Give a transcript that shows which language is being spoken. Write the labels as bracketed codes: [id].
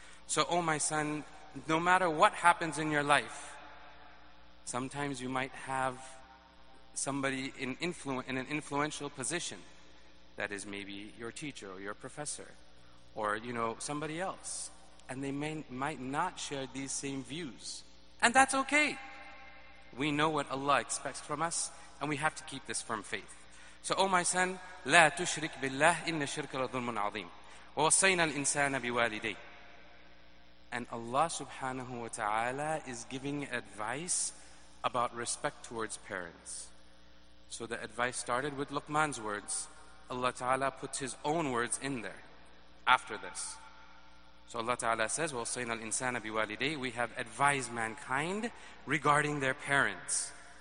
[en] So, oh my son, no matter what happens in your life, sometimes you might have somebody in an influential position. That is maybe your teacher or your professor or, you know, somebody else. And they might not share these same views. And that's okay. We know what Allah expects from us, and we have to keep this firm faith. So, oh my son, [ar] لا تشرك بالله إن الشرك لظلم عظيم. ووصينا الإنسان بوالديه. [en] And Allah subhanahu wa ta'ala is giving advice about respect towards parents. So the advice started with Luqman's words. Allah ta'ala puts his own words in there after this. So Allah ta'ala says, [ar] وَوَصَيْنَا الْإِنسَانَ بِوَالِدَيْهِ, [en] we have advised mankind regarding their parents.